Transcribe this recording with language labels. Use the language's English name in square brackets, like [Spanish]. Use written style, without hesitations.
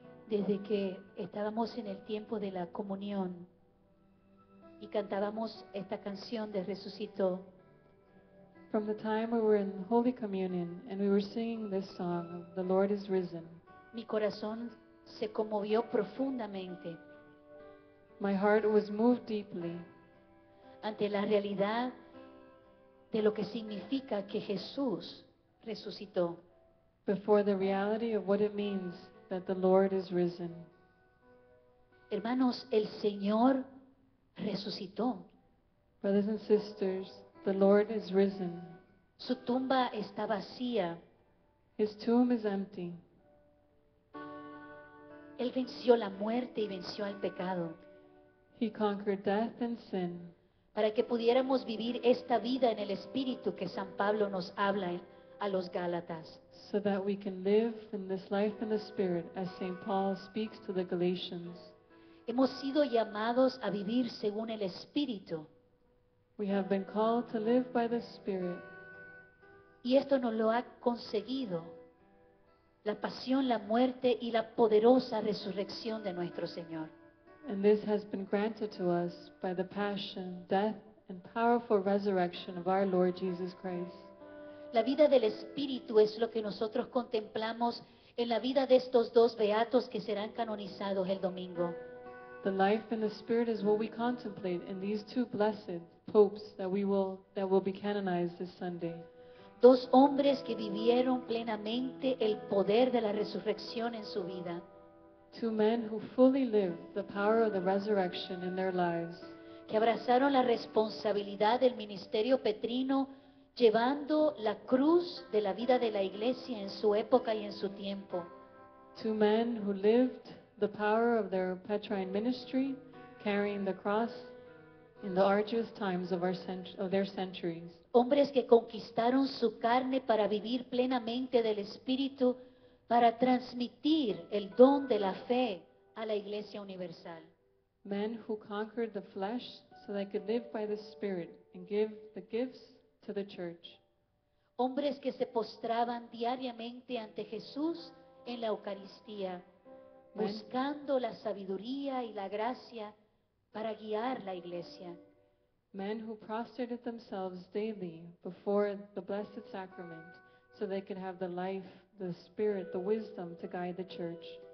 [Spanish] Desde que estábamos en el tiempo de la comunión y cantábamos esta canción de Resucitó. [English] From the time we were in Holy Communion and we were singing this song, The Lord is Risen. [Spanish] Mi corazón se conmovió profundamente. [English] My heart was moved deeply. [Spanish] Ante la realidad de lo que significa que Jesús resucitó. [English] Before the reality of what it means that the Lord is risen. [Spanish] Hermanos, el Señor resucitó. [English] Brothers and sisters, the Lord is risen. [Spanish] Su tumba está vacía. [English] His tomb is empty. [Spanish] Él venció la muerte y venció al pecado. [English] He conquered death and sin. [Spanish] Para que pudiéramos vivir esta vida en el Espíritu que San Pablo nos habla a los Gálatas. [English] So that we can live in this life in the Spirit as St. Paul speaks to the Galatians. [Spanish] Hemos sido llamados a vivir según el Espíritu. [English] We have been called to live by the Spirit. [Spanish] Y esto nos lo ha conseguido la pasión, la muerte y la poderosa resurrección de nuestro Señor. [English] And this has been granted to us by the passion, death, and powerful resurrection of our Lord Jesus Christ. [Spanish] La vida del Espíritu es lo que nosotros contemplamos en la vida de estos dos beatos que serán canonizados el domingo. [English] The life in the Spirit is what we contemplate in these two blessed popes that will be canonized this Sunday. [Spanish] Dos hombres que vivieron plenamente el poder de la resurrección en su vida. [English] Two men who fully lived the power of the resurrection in their lives. [Spanish] Que abrazaron la responsabilidad del ministerio petrino llevando la cruz de la vida de la iglesia en su época y en su tiempo. [English] Two men who lived the power of their Petrine ministry carrying the cross in the arduous times of their centuries. [Spanish] Hombres que conquistaron su carne para vivir plenamente del Espíritu, para transmitir el don de la fe a la Iglesia Universal. [English] Men who conquered the flesh so they could live by the Spirit and give the gifts to the Church. [Spanish] Hombres que se postraban diariamente ante Jesús en la Eucaristía, buscando la sabiduría y la gracia para guiar la Iglesia. [English] Men who prostrated themselves daily before the Blessed Sacrament so they could have the life, the Spirit, the wisdom to guide the Church.